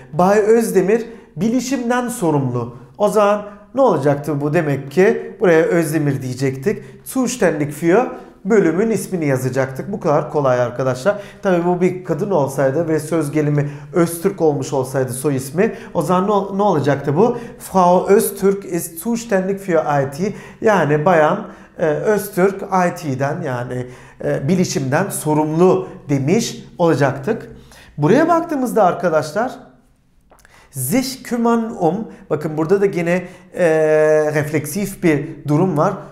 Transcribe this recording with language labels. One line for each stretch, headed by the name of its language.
Turkish: Bay Özdemir bilişimden sorumlu. O zaman ne olacaktı bu demek ki? Buraya Özdemir diyecektik.
German: Zuständig für
Turkish: bölümün ismini yazacaktık. Bu kadar kolay arkadaşlar. Tabii bu bir kadın olsaydı ve söz gelimi Öztürk olmuş olsaydı soy ismi, o zaman ne olacaktı bu?
German: Frau Öztürk ist zuständig für IT.
Turkish: Yani bayan Öztürk IT'den, yani bilişimden sorumlu demiş olacaktık. Buraya baktığımızda arkadaşlar,
German: sich kümmern
Turkish: bakın burada da yine refleksif bir durum var.